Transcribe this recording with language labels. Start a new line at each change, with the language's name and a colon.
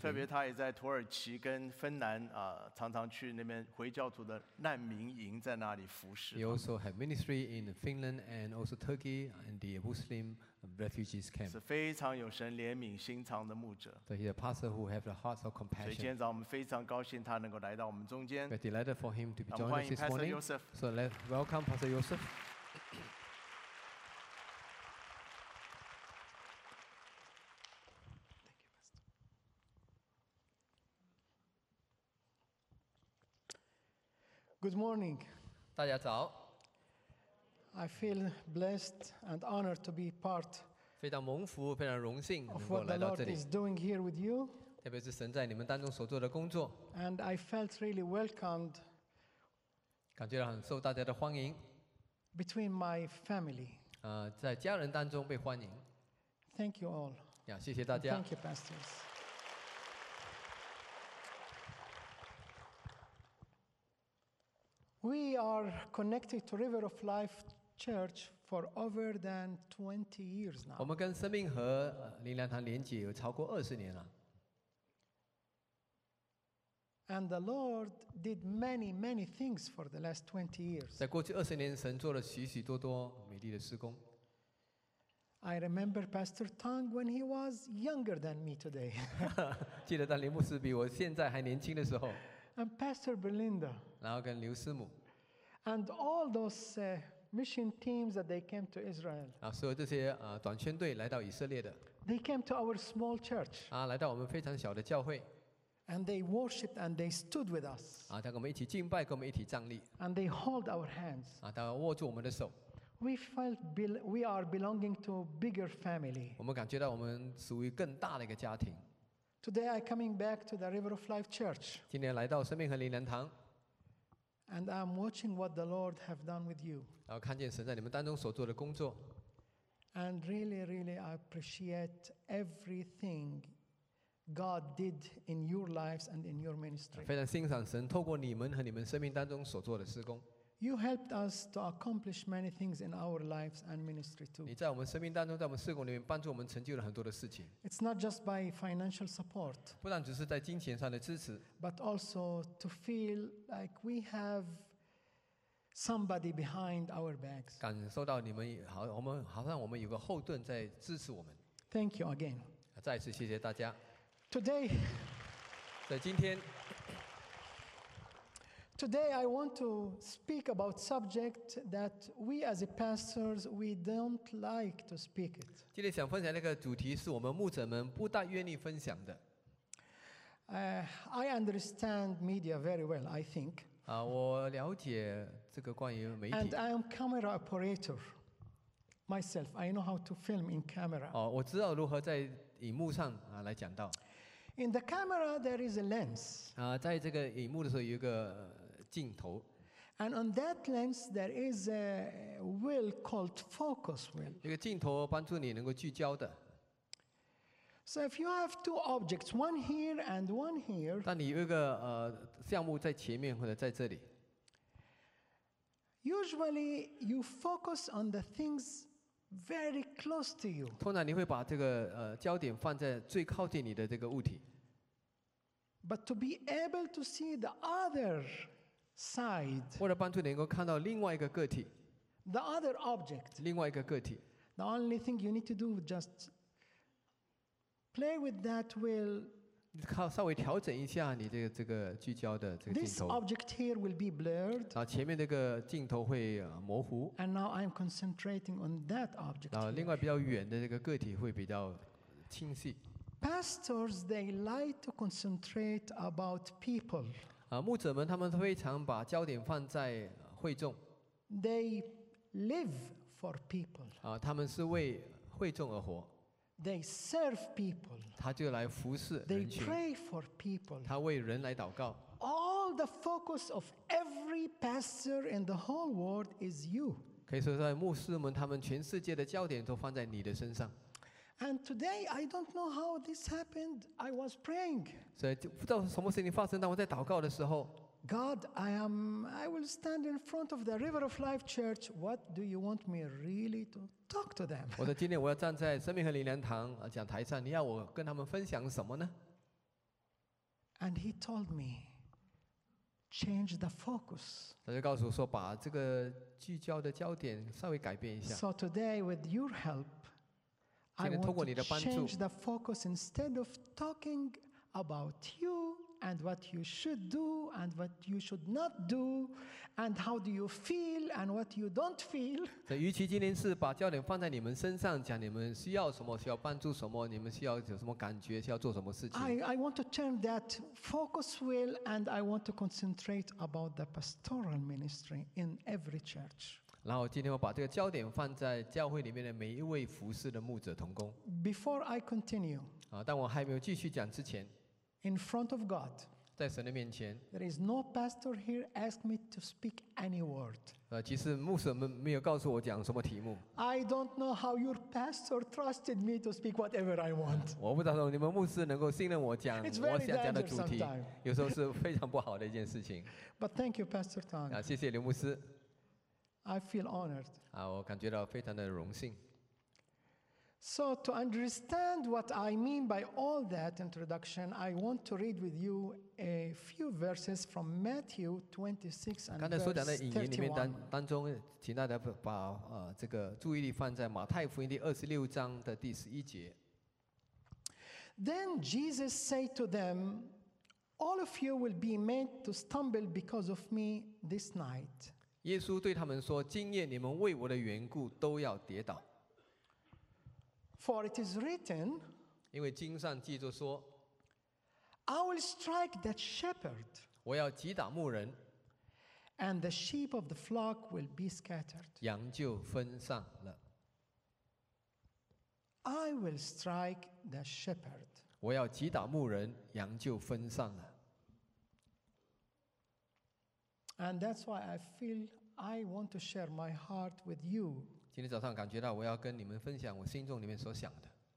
Chinese: 特别他也在土耳其跟芬兰常常去那边回教徒的难民营在那里服侍。
English: He also had ministry in Finland and also Turkey and the Muslim refugees camp.
Chinese: 是非常有神怜悯心肠的牧者。
English: So he's a pastor who has the hearts of compassion.
Chinese: 所以今天早上我们非常高兴他能够来到我们中间。
English: We're delighted for him to be joining us this morning. So let's welcome Pastor Joseph.
Chinese: 大家早。
English: I feel blessed and honored to be part.
Chinese: 非常蒙福，非常荣幸能够来到这里。
English: Of what the Lord is doing here with you.
Chinese: 特别是神在你们当中所做的工作。
English: And I felt really welcomed.
Chinese: 感觉到很受大家的欢迎。
English: Between my family.
Chinese: 在家人当中被欢迎。
English: Thank you all.
Chinese: 呀，谢谢大家。
English: Thank you, pastors. We are connected to River of Life Church for over than 20 years now.
Chinese: 我们跟生命河灵粮堂连结有超过20年了。
English: And the Lord did many, many things for the last 20 years.
Chinese: 在过去20年，神做了许许多多美丽的事工。
English: I remember Pastor Tang when he was younger than me today.
Chinese: 记得当林牧师比我现在还年轻的时候。
English: And Pastor Belinda.
Chinese: 然后跟刘师母。
English: And all those mission teams that they came to Israel.
Chinese: 啊，所有这些短宣队来到以色列的。
English: They came to our small church.
Chinese: 啊，来到我们非常小的教会。
English: And they worshipped and they stood with us.
Chinese: 啊，他跟我们一起敬拜，跟我们一起站立。
English: And they hold our hands.
Chinese: 啊，他握住我们的手。
English: We felt we are belonging to a bigger family.
Chinese: 我们感觉到我们属于更大的一个家庭。
English: Today I coming back to the River of Life Church.
Chinese: 今天来到生命河灵粮堂。
English: And I'm watching what the Lord have done with you.
Chinese: 然后看见神在你们当中所做的工作。
English: And really, really, I appreciate everything God did in your lives and in your ministry.
Chinese: 非常欣赏神透过你们和你们生命当中所做的事工。
English: You helped us to accomplish many things in our lives and ministry too.
Chinese: 你在我们生命当中，在我们事工里面帮助我们成就了很多的事情。
English: It's not just by financial support.
Chinese: 不但只是在金钱上的支持。
English: But also to feel like we have somebody behind our backs.
Chinese: 感受到你们好，我们好像我们有个后盾在支持我们。
English: Thank you again.
Chinese: 再次谢谢大家。
English: Today.
Chinese: 在今天。
English: Today I want to speak about subject that we as pastors we don't like to speak it.
Chinese: 今天想分享那个主题是我们牧者们不大愿意分享的。
English: I understand media very well, I think.
Chinese: 我了解这个关于媒体。
English: And I am camera operator myself. I know how to film in camera.
Chinese: 我知道如何在荧幕上来讲到。
English: In the camera, there is a lens.
Chinese: 在这个荧幕的时候有一个镜头。
English: And on that lens, there is a wheel called focus wheel.
Chinese: 一个镜头帮助你能够聚焦的。
English: So if you have two objects, one here and one here.
Chinese: 当你有一个项目在前面或者在这里。
English: Usually, you focus on the things. Very close to you.
Chinese: 通常你会把这个焦点放在最靠近你的这个物体。
English: But to be able to see the other side.
Chinese: 为了帮助你能够看到另外一个个体。
English: The other object.
Chinese: 另外一个个体。
English: The only thing you need to do is just play with that wheel.
Chinese: 你靠稍微调整一下你的这个聚焦的这个镜头。
English: This object here will be blurred.
Chinese: 然后前面这个镜头会模糊。
English: And now I'm concentrating on that object.
Chinese: 然后另外比较远的这个个体会比较清晰。
English: Pastors they like to concentrate about people.
Chinese: 牧者们他们非常把焦点放在会众。
English: They live for people.
Chinese: 他们是为会众而活。
English: They serve people.
Chinese: 他就来服侍人群。
English: They pray for people.
Chinese: 他为人来祷告。
English: All the focus of every pastor in the whole world is you.
Chinese: 可以说在牧师们他们全世界的焦点都放在你的身上。
English: And today, I don't know how this happened. I was praying.
Chinese: 所以不知道什么事情发生，当我在祷告的时候。
English: God, I will stand in front of the River of Life Church. What do you want me really to talk to them?
Chinese: 我说今天我要站在生命和灵粮堂讲台上，你要我跟他们分享什么呢？
English: And he told me, change the focus.
Chinese: 他就告诉我说，把这个聚焦的焦点稍微改变一下。
English: So today, with your help, I want to change the focus instead of talking about you. And what you should do, and what you should not do, and how do you feel, and what you don't feel.
Chinese: 与其今天是把焦点放在你们身上，讲你们需要什么，需要帮助什么，你们需要有什么感觉，需要做什么事情。
English: I want to turn that focus wheel, and I want to concentrate about the pastoral ministry in every church.
Chinese: 然后今天我把这个焦点放在教会里面的每一位服事的牧者同工。
English: Before I continue.
Chinese: 但我还没有继续讲之前。
English: In front of God,
Chinese: 在神的面前
English: there is no pastor here asked me to speak any word.
Chinese: 其实牧师们没有告诉我讲什么题目。
English: I don't know how your pastor trusted me to speak whatever I want.
Chinese: 我不知道你们牧师能够信任我讲我想讲的主题，有时候是非常不好的一件事情。
English: But thank you, Pastor Tang.
Chinese: 谢谢刘牧师。
English: I feel honored.
Chinese: 我感觉到非常的荣幸。
English: So to understand what I mean by all that introduction, I want to read with you a few verses from Matthew 26 and
Chinese: 刚才所讲的引言里面当中，请大家把这个注意力放在马太福音第二十六章的第十一节。
English: Then Jesus said to them, "All of you will be made to stumble because of me this night."
Chinese: 耶稣对他们说，今夜你们为我的缘故都要跌倒。
English: For it is written,
Chinese: 因为经上记着说
English: I will strike that shepherd,
Chinese: 我要击打牧人
English: and the sheep of the flock will be scattered,
Chinese: 羊就分散了
English: I will strike the shepherd,
Chinese: 我要击打牧人羊就分散了
English: and that's why I feel I want to share my heart with you.
Chinese: 今天早上感觉到我要跟你们分享我心中里面所想的